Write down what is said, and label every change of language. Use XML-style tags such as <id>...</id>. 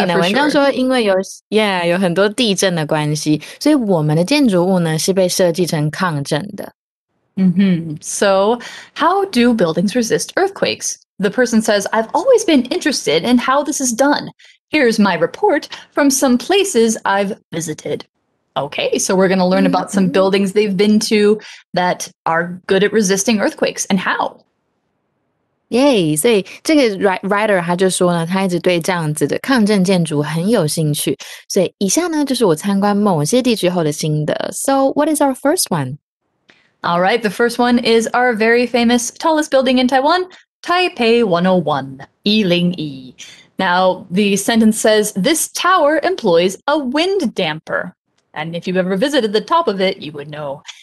<zh>所以呢，我刚说因为有很多地震的关系，所以我们的建筑物呢是被设计成抗震的。</zh> <en>Mm-hmm. So, how do buildings resist earthquakes? The person says, I've always been interested in how this is done. Here's my report from some places I've visited. Okay, so we're going to learn about some buildings they've been to that are good at resisting earthquakes and how.</en> <zh>Yay, 所以这个 writer 他就说呢，他一直对这样子的抗震建筑很有兴趣。所以以下呢，就是我参观某些地区后的心得。</zh> <en>So what is our first one? All right, the first one is our very famous tallest building in Taiwan, Taipei 101, 101. Now, the sentence says, this tower employs a wind damper. And if you've ever visited the top of it, you would know.</en>